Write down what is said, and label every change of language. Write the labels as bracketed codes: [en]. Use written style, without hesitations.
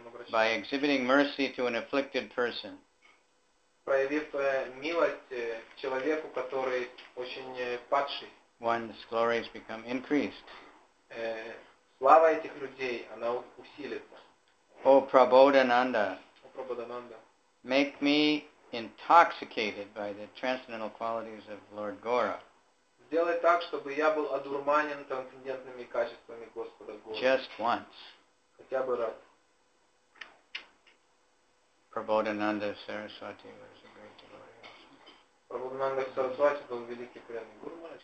[en] By exhibiting mercy to an afflicted person. [ru] Проявив милость человеку, который очень падший. [en] One's glories become increased. [ru] Слава этих людей, она усилится. [en] O Prabodhananda. [ru] O Prabodhananda. [en] Make me intoxicated by the transcendental qualities of Lord Gaura. [ru] Сделай так, чтобы я был одурманен трансцендентными качествами Господа Гора. [en] Just once. [ru] Хотя бы раз. [en] Prabodhananda Saraswati was a great devotee. [ru] Prabodhananda Saraswati был великий преданный гуру.